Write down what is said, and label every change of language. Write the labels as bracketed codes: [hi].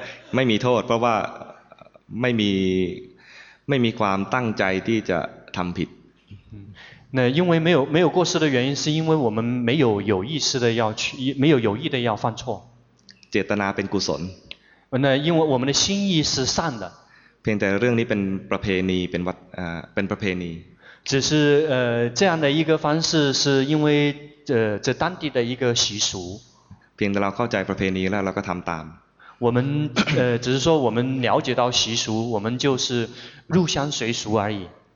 [zh] 没有错， [th] เพราะว่าไม่มีความตั้งใจที่จะทำผิด。 [zh] 那因为没有过失的原因，是因为我们没有有意识的要去，没有有意的要犯错。 [th] เจตนาเป็นกุศล。 [zh] 那因为我们的心意是善的。 [th] เพียงแต่เรื่องนี้เป็นประเพณีเป็นวัดเป็นประเพณี。 [zh] 只是这样的一个方式，是因为这当地的一个习俗。 [th] เพียงแต่เราเข้าใจประเพณีแล้วเราก็ทำตาม。 [zh] 我们只是说我们了解到习俗，我们就是入乡随俗而已。